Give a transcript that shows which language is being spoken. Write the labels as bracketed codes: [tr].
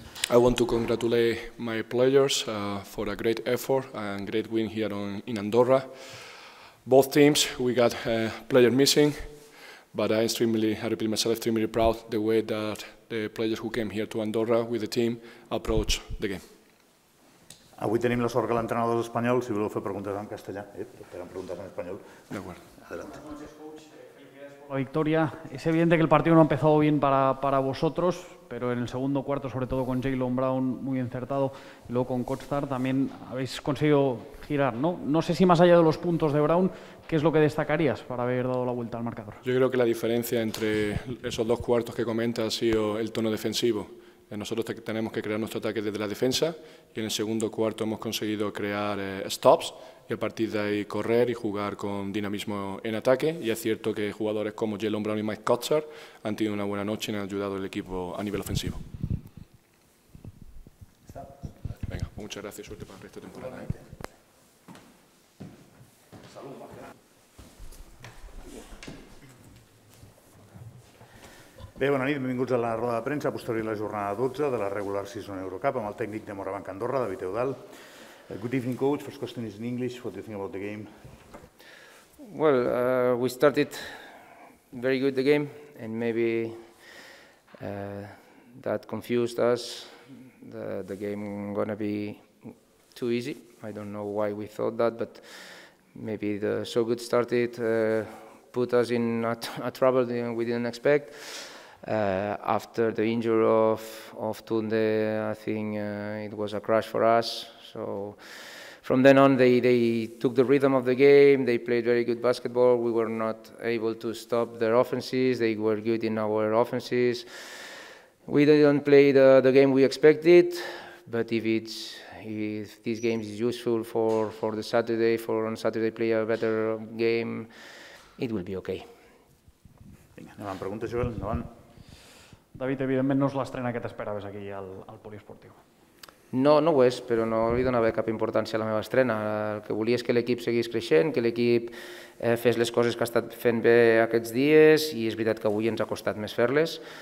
[en] I want to congratulate my players for a great effort and great win here in Andorra. Both teams, we got players missing, but I'm extremely proud the way that the players who came here to Andorra with the team approach the game. [ca] Avui tenim la sort que l'entrenador és espanyol, si voleu fer preguntes en castellà, tenen preguntes en espanyol. D'acord. [es] Adelante. La victoria. Es evidente que el partido no ha empezado bien para vosotros, pero en el segundo cuarto, sobre todo con Jaylon Brown muy encertado y luego con Kotzar, también habéis conseguido girar, ¿no? No sé si más allá de los puntos de Brown, ¿qué es lo que destacarías para haber dado la vuelta al marcador? Yo creo que la diferencia entre esos dos cuartos que comentas ha sido el tono defensivo. Nosotros tenemos que crear nuestro ataque desde la defensa y en el segundo cuarto hemos conseguido crear stops y a partir de ahí correr y jugar con dinamismo en ataque. Y es cierto que jugadores como Jaylon Brown y Mike Kotzar han tenido una buena noche y han ayudado al equipo a nivel ofensivo. Venga, muchas gracias y suerte para el resto de temporada. [ca] Bé, bona nit, benvinguts a la roda de premsa posterior a la jornada 12 de la regular season EuroCup amb el tècnic de Morabanc Andorra, David Eudal. [en] Good evening, coach. First question is in English. What do you think about the game? Well, we started very good the game and maybe that confused us. The game gonna be too easy. I don't know why we thought that, but maybe the so good started put us in a trouble we didn't expect. After the injury of Tunde, I think it was a crash for us. So from then on, they took the rhythm of the game. They played very good basketball. We were not able to stop their offenses. They were good in our offenses. We didn't play the game we expected. But if this game is useful for the Saturday, for on Saturday play a better game, it will be okay. [ca] Vinga, anem amb preguntes, Joel. Endavant. David, evidentment no és l'estrena que t'esperaves aquí al poliesportiu. No ho és, però no li donava cap importància a la meva estrena. El que volia és que l'equip seguís creixent, que l'equip fes les coses que ha estat fent bé aquests dies i és veritat que avui ens ha costat més fer-les.